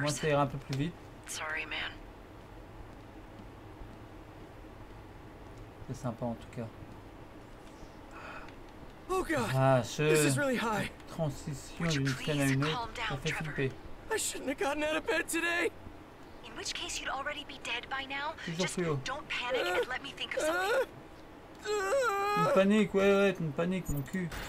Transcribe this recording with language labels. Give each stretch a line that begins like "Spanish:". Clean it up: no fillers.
French: Moi, ça ira un peu plus vite.
English: Sorry, man.
French: C'est sympa, en tout cas.
English: Oh god, ah, this is really high.
French: Transition d'une scène à une autre, ça fait flipper.
English: I shouldn't have gotten out of bed today. In which case you'd already be dead by now. Just don't panic and let me think of something.
French: Une panique, ouais, ouais, une panique, mon cul.